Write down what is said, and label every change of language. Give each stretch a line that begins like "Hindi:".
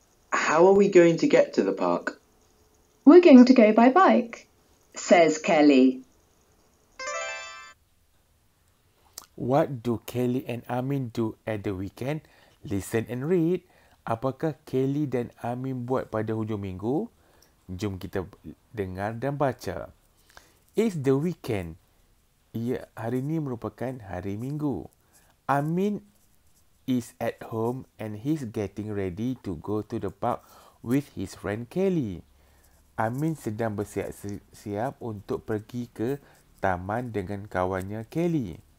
English: How are we going to get to the park? We're going to go by bike, says Kelly. What do Kelly and Amin do at the weekend? Listen and read.
Malay: Apakah Kelly dan Amin buat pada hujung minggu? Jom kita dengar dan baca.
English: It's the weekend.
Malay: Ia hari ini merupakan hari minggu.
English: Amin is at home and he's getting ready to go to the park with his friend Kelly.
Malay: Amin sedang bersiap-siap untuk pergi ke taman dengan kawannya Kelly.